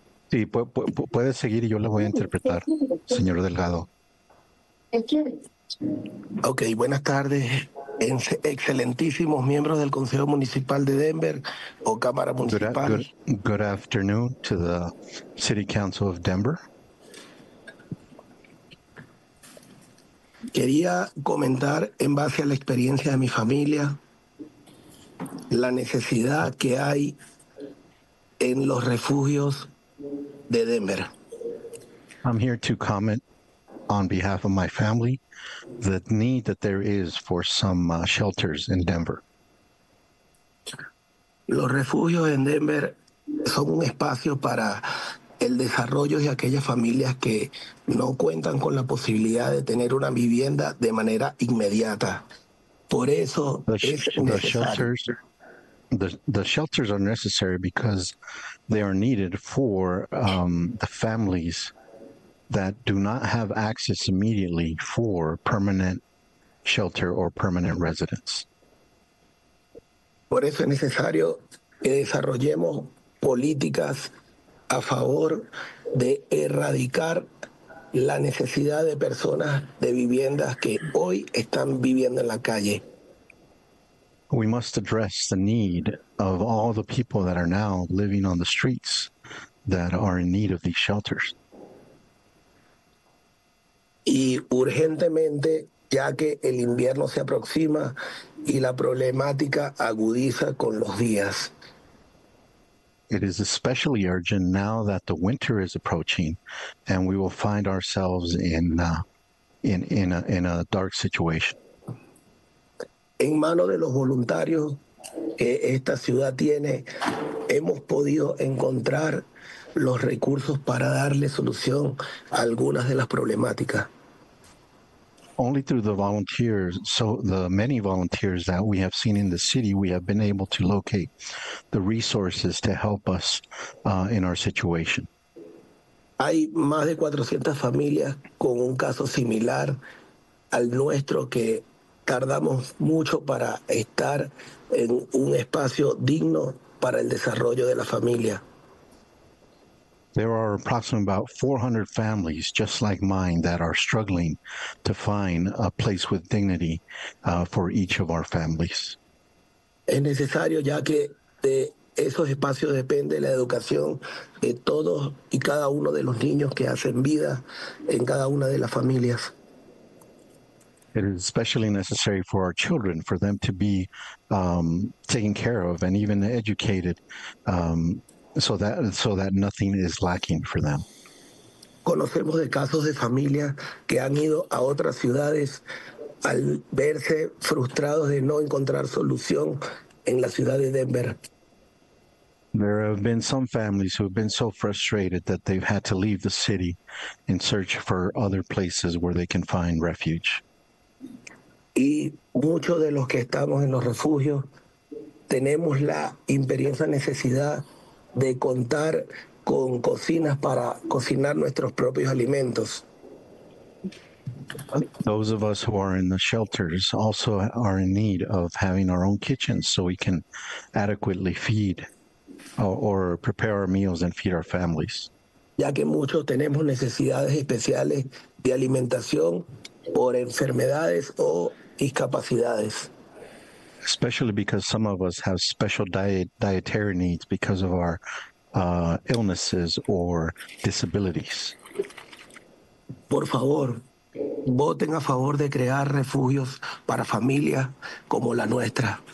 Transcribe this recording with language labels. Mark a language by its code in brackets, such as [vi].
[es] Sí, puede seguir y yo le voy a interpretar, señor Delgado. Ok, buenas tardes, excelentísimos miembros del Consejo Municipal de Denver o Cámara Municipal. [en] Good afternoon to the City Council of Denver. [es] Quería comentar en base a la experiencia de mi familia la necesidad que hay en los refugios de Denver. [en] I'm here to comment on behalf of my family, the need that there is for some shelters in Denver. [es] Los refugios en Denver son un espacio para el desarrollo de aquellas familias que no cuentan con la posibilidad de tener una vivienda de manera inmediata. Por eso es necesario. [en] The shelters are necessary because they are needed for the families that do not have access immediately for permanent shelter or permanent residence. [es] Por eso es necesario que desarrollemos políticas a favor de erradicar la necesidad de personas de viviendas que hoy están viviendo en la calle. [en] We must address the need of all the people that are now living on the streets that are in need of these shelters. [es] Y urgentemente, ya que el invierno se aproxima y la problemática agudiza con los días. [en] It is especially urgent now that the winter is approaching and we will find ourselves in a dark situation. [es] En manos de los voluntarios que esta ciudad tiene, hemos podido encontrar los recursos para darle solución a algunas de las problemáticas. [en] Only through the volunteers, so the many volunteers that we have seen in the city, we have been able to locate the resources to help us in our situation. [es] Hay más de 400 familias con un caso similar al nuestro que tardamos mucho para estar en un espacio digno para el desarrollo de la familia. [en] There are approximately about 400 families just like mine that are struggling to find a place with dignity for each of our families. [es] Es necesario ya que de esos espacios depende la educación de todos y cada uno de los niños que hacen vida en cada una de las familias. [en] It is especially necessary for our children, for them to be taken care of and even educated so that nothing is lacking for them. [es] Conocemos de casos de familias que han ido a otras ciudades al verse frustrados de no encontrar solución en la ciudad de Denver. [en] There have been some families who have been so frustrated that they've had to leave the city in search for other places where they can find refuge. [es] Y muchos de los que estamos en los refugios tenemos la imperiosa necesidad de contar con cocinas para cocinar nuestros propios alimentos. [en] Those of us who are in the shelters also are in need of having our own kitchens so we can adequately feed or prepare our meals and feed our families. [es] Ya que muchos tenemos necesidades especiales de alimentación por enfermedades o discapacidades. [en] Especially because some of us have special dietary needs because of our illnesses or disabilities. [es] Por favor, voten a favor de crear refugios para familias como la nuestra.